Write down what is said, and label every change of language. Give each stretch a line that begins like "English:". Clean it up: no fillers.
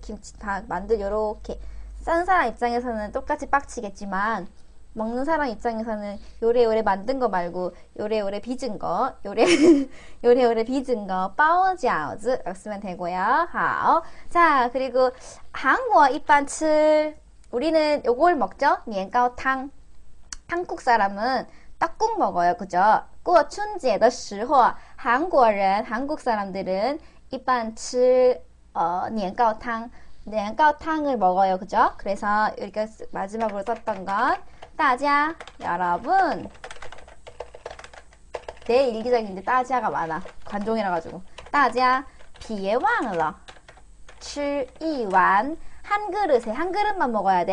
Korean: 김치탕, 만두 요렇게. 싼 사람 입장에서는 똑같이 빡치겠지만, 먹는 사람 입장에서는 요래요래 만든 거 말고, 요래요래 빚은 거, 요래요래 빚은 거, 빠오饺子 쓰면 되고요.
Chinese: 好.
Korean: 자, 그리고 한국어 입반 칠. 우리는 요걸 먹죠? 年糕汤. 한국 사람은 떡국 먹어요, 그죠?
Chinese: 过 春节的时候,
Korean: 한국 사람들은 입반 칠, 年糕汤. 年糕汤을 먹어요, 그죠? 그래서 이렇게 마지막으로 썼던 건, 大家, 여러분. 내 일기장인데 大家가 많아. 관종이라 가지고.
Chinese: 大家, 别忘了, 吃一碗,
Korean: 한 그릇에, 한 그릇만 먹어야 돼.